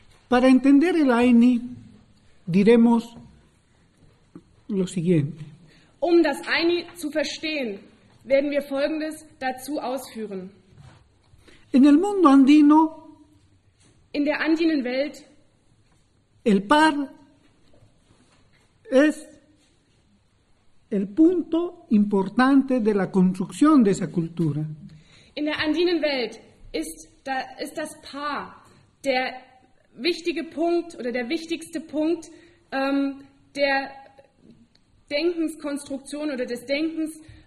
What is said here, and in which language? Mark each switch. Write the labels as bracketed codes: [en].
[es] Para entender el Aini, diremos lo siguiente. [de] Um das Aini zu verstehen, werden wir Folgendes dazu ausführen. [es] En el mundo andino, [de] in der andinen Welt, [es] el par es el punto importante de la construcción de esa cultura. [de] In der andinen Welt ist das Paar der wichtige Punkt oder der wichtigste Punkt der Denkenskonstruktion oder des Denkens.